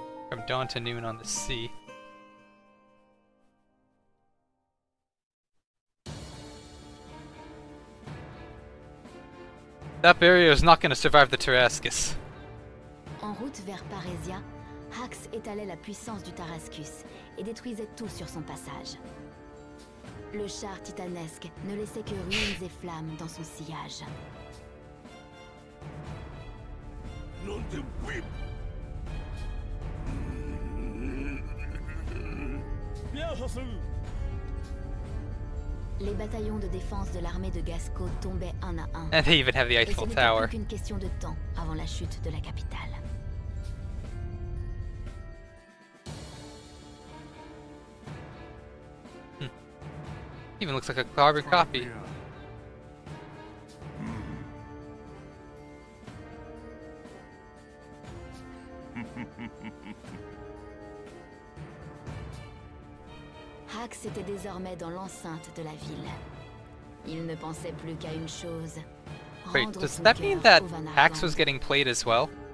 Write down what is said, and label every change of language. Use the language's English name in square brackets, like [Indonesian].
[English] From dawn to noon on the sea. That barrier is not going to survive the Tarascus. [French] En route vers Paresia, Hax étalait la puissance du Tarascus et détruisait tout sur son passage. Le char titanesque ne laissait que ruines et flammes dans son sillage. Non de whip. Bien, Jason. Les bataillons de défense de l'armée de Gasco tombaient un à un. [English] And they even have the Eiffel Tower. [French] Et ce n'était qu'une question de temps avant la chute de la capitale. [English] Hmm. Even looks like a carbon copy. [French] Hax était désormais dans l'enceinte de la ville. Il ne pensait plus qu'à une chose. [English] Wait, does that mean that Hax was getting played as well?